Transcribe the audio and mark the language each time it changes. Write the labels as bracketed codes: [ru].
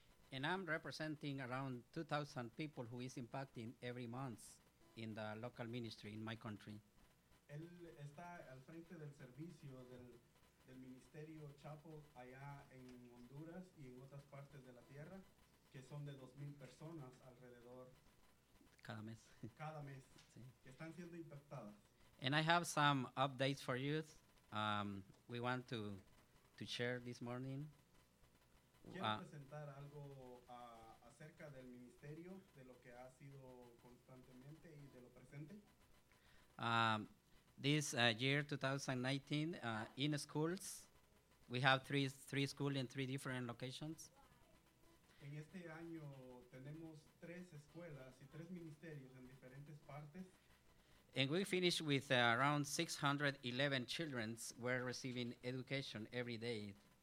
[en] And I'm representing around 2,000 people who is impacting every month in the local ministry in my country. [es] Él está al frente del servicio del del ministerio Chapo allá en Honduras y en otras partes de la tierra, que son de 2,000 personas alrededor. Cada mes. Cada mes. Sí. Que están siendo impactadas. [en] And I have some updates for you. We want to share this morning. [es] Quiero presentar algo acerca del ministerio, de lo que ha sido constantemente y de lo presente. [en] This year, 2019, in schools, we have three schools in three different locations. [es] En este año tenemos tres escuelas y tres ministerios en diferentes partes. [en] And we finished with around 611 children were receiving education every day.